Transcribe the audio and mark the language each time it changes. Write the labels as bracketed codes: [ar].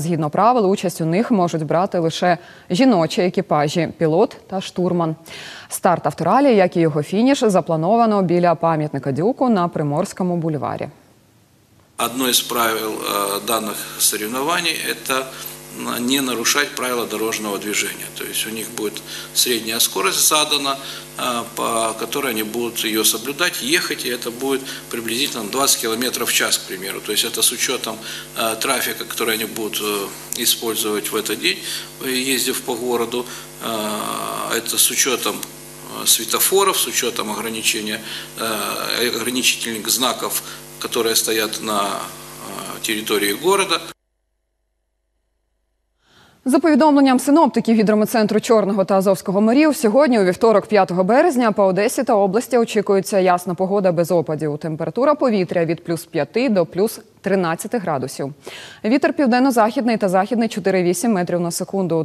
[uk] Згідно правил, участь у них можуть брати лише жіночі екіпажі – пілот та штурман. Старт авторалі, як і його фініш, заплановано біля пам'ятника Дюку на Приморському бульварі. Одне із правил даних соревновань – це [ru] не нарушать правила дорожного движения. То есть у них будет средняя скорость задана, по которой они будут ее соблюдать, ехать, и это будет приблизительно 20 км в час, к примеру. То есть это с учетом трафика, который они будут использовать в этот день, ездив по городу, это с учетом светофоров, с учетом ограничительных знаков, которые стоят на территории города. [uk] За повідомленням синоптиків гідрометцентру Чорного та Азовського морів, сьогодні, у вівторок, 5 березня, по Одесі та області очікується ясна погода без опадів. Температура повітря від плюс 5 до плюс 13 градусів. Вітер південно-західний та західний 4-8 метрів на секунду.